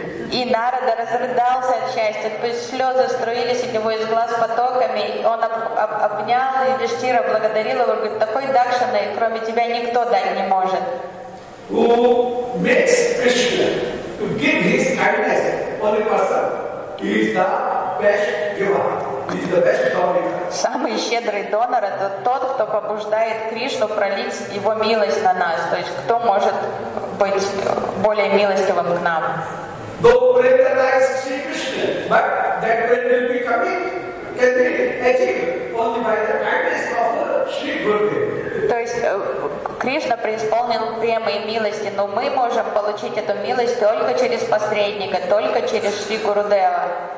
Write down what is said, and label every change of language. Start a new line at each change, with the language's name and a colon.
Russian: И Нарада разрыдался от счастья, то есть слезы струились у него из глаз потоками. Он обнял Юдиштира, благодарил его, говорит, такой дакшины, кроме тебя, никто дать не может.
English: Who makes Krishna to give his kindness on a person? He is the best giver. He is the best donor.
Russian: Самый щедрый донор это тот, кто побуждает Кришну пролить его милость на нас. То есть кто может быть более милостивым к нам?
English: Though Prema is Sri Krishna, but that will be coming can be achieved only by the kindness of Sri Guru.
Russian: То есть Кришна преисполнен премой и милости, но мы можем получить эту милость только через посредника, только через Шри Гурудева.